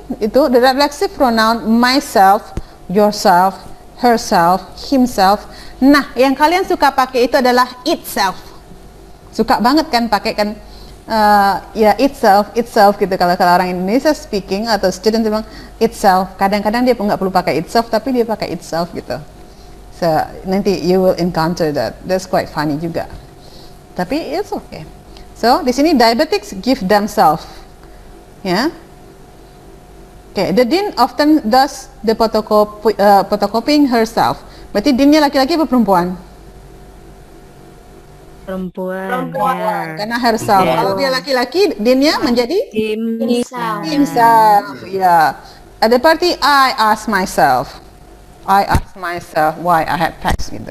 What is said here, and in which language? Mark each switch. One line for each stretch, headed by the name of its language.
Indonesian: itu
English: the reflexive pronoun myself, yourself, herself, himself.
Indonesian: Nah, yang kalian suka pakai itu adalah itself. Suka banget kan pakai kan ya itself, itself gitu kalau orang Indonesia speaking atau student bilang itself. Kadang-kadang dia enggak perlu pakai itself tapi dia pakai itself gitu. So, nanti
English: you will encounter that. That's quite funny juga. Tapi it's okay. So,
Indonesian: di sini
English: diabetics give themselves. Ya. Yeah. Okay, the dean often does the photocopying herself.
Indonesian: Berarti deannya laki-laki atau perempuan? Perempuan.
English: Yeah. Karena herself. Yeah.
Indonesian: Kalau dia laki-laki, deannya menjadi?
English: Himself. Yeah. At the party, I ask myself. I ask myself why I had pets.
Indonesian: Gitu.